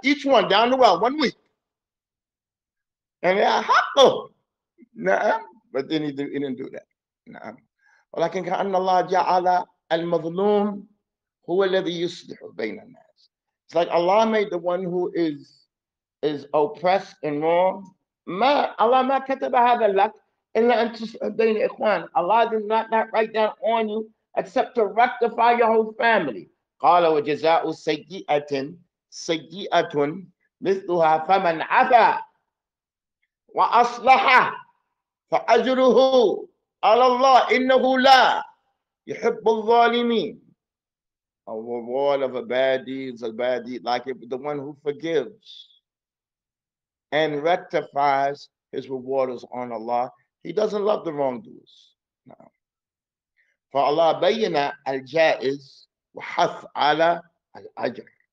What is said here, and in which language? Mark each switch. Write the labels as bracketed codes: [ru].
[en] Each one down the well 1 week. And they are hapo. But then he didn't do that. [ar] نعم. ولكن كأن الله جعل المظلوم هو الذي يصلح بين الناس. [en] It's like Allah made the one who is oppressed and wrong. [ar] Allah ما كتب هذا لك إلا أن تبين إخوان. [en] Allah did not write that on you except to rectify your whole family. [ar] قال وجزاء سيئة سيئة مثلها فمن عفا وأصلح فأجره على الله إنه لا يحب الظالمين. [en] A reward of a bad deed is a bad deed like it, the one who forgives and rectifies his reward is on Allah. He doesn't love the wrongdoers. No. [ar] فالله بين الجائز وحث على الأجر.